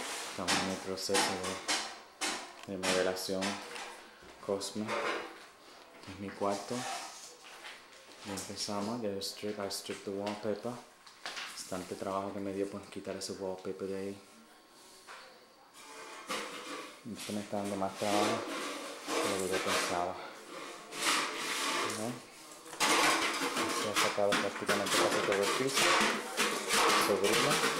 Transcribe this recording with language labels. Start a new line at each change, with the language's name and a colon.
Spanish: Estamos en el proceso de remodelación Cosmo. Este es mi cuarto. Ya empezamos. Ya
English: I stripped the wallpaper.
Spanish: Bastante trabajo que me dio por quitar ese wallpaper de ahí. Esto me está dando más trabajo de lo que pensaba. Se ha sacado prácticamente casi todo el piso. Sobrino.